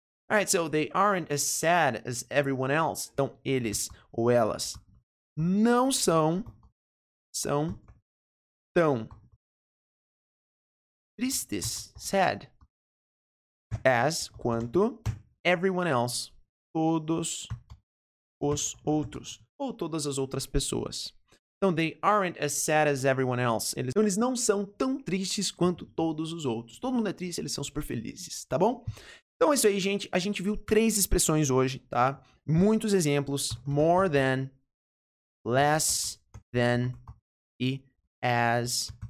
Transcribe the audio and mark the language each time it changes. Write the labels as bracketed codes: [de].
[en] Alright, so they aren't as sad as everyone else. [pt] Então, eles ou elas não são... São tão tristes, sad, as quanto [en] everyone else, [pt] todos os outros, ou todas as outras pessoas. [en] Então, they aren't as sad as everyone else. [pt] Eles não são tão tristes quanto todos os outros. Todo mundo é triste, eles são super felizes, tá bom? Então é isso aí, gente. A gente viu três expressões hoje, tá? Muitos exemplos. [en] More than, less than e as.